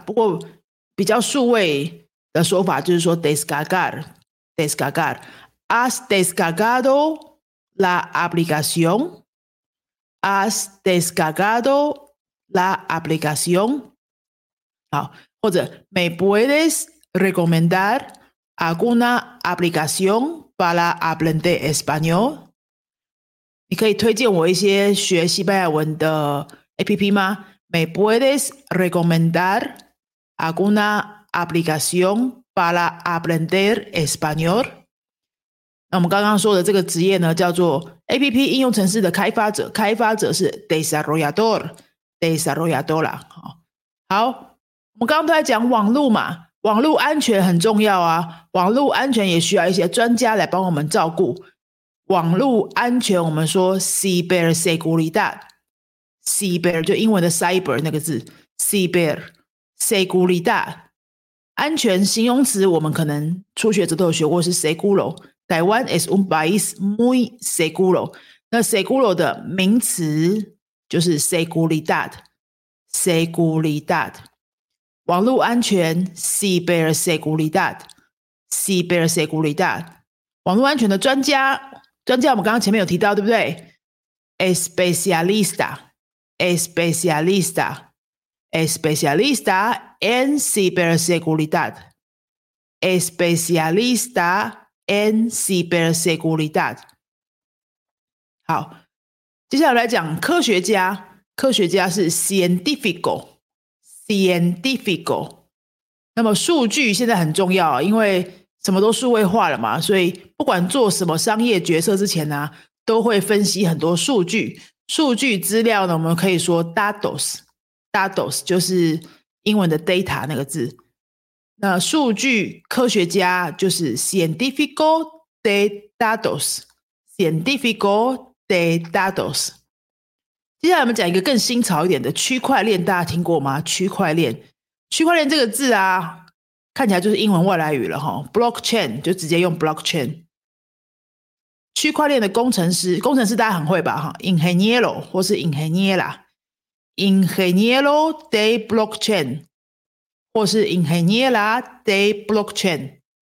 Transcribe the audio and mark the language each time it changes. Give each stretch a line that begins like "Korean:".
Chinese: 不过比较数位的说法就是说 Descargar Descargar。
Spanish: Has descargado la aplicación？ Has descargado la aplicación？
Chinese: 好，或者
Spanish: ¿Me puedes recomendar alguna aplicación para aprender español？
Chinese: 你可以推荐我一些学西班牙文的 APP 吗？
Spanish: ¿Me puedes recomendar alguna aplicación para aprender español？
Chinese: 那我们刚刚说的这个职业呢，叫做 APP 应用程式的开发者，开发者是 desarrollador desarrollador 啦。好，我们刚刚都在讲网络嘛，网络安全很重要啊，网络安全也需要一些专家来帮我们照顾。网络安全我们说 ciberseguridad， ciber 就英文的 cyber 那个字， ciber seguridad。安全形容词我们可能初学者都有学过是 seguro， 台湾
Spanish: es un país muy seguro。
Chinese: 那
Spanish: seguro
Chinese: 的名词就是
Spanish: seguridad seguridad，
Chinese: 网络安全
Spanish: ciber seguridad ciber seguridad。
Chinese: 网络安全的专家，专家我们刚刚前面有提到对不对？
Spanish: especialista especialista especialista en ciberseguridad especialista en ciberseguridad。
Chinese: 好，接下来来讲科学家，科学家是 científico científico。那么数据现在很重要，因为什么都数位化了嘛，所以不管做什么商业决策之前啊，都会分析很多数据。数据资料呢，我们可以说 datos datos， 就是英文的 data 那个字。那数据科学家就是
Spanish: científico de datos científico de datos。
Chinese: 接下来我们讲一个更新潮一点的区块链，大家听过吗？区块链，区块链这个字啊，看起来就是英文外来语了哈。 blockchain 就直接用 blockchain。区块链的工程师，工程师大家很会吧哈， ingeniero 或是 ingeniera，
Spanish: Ingeniero de blockchain
Chinese: 或是
Spanish: Ingeniera de blockchain。